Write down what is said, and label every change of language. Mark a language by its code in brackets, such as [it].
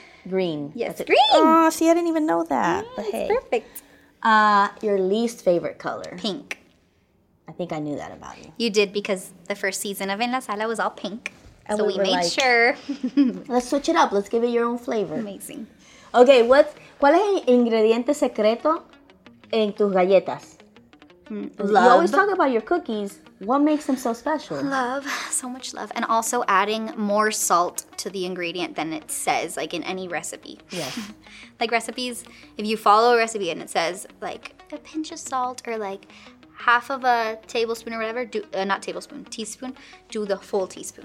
[en] Green. Yes. Green. Oh, see, I didn't even know that. Yeah, but hey. It's perfect. Your least favorite color? Pink. I think I knew that about you. You did, because the first season of En La Sala was all pink. And so we made like, sure. Let's switch it up. Let's give it your own flavor. Amazing. [es] Okay, ¿cuál es el ingrediente secreto en tus galletas? [en] Love. You always talk about your cookies. What makes them so special? Love. So much love. And also adding more salt to the ingredient than it says, like in any recipe. Yes. Like recipes, if you follow a recipe and it says like a pinch of salt or like half of a tablespoon or whatever, teaspoon, do the full teaspoon.